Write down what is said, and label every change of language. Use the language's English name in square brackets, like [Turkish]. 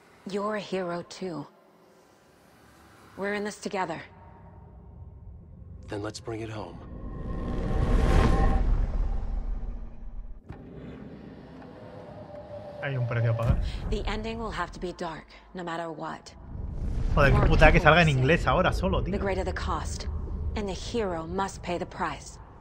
[English] You're a hero too. We're in this together. Then let's bring it home. [Spanish] Hay un precio a pagar. [English] The ending will have to be dark, no matter what. [Spanish] Joder, qué puta que salga en inglés ahora solo, tío. [English] The greater the cost, and the hero must pay the price.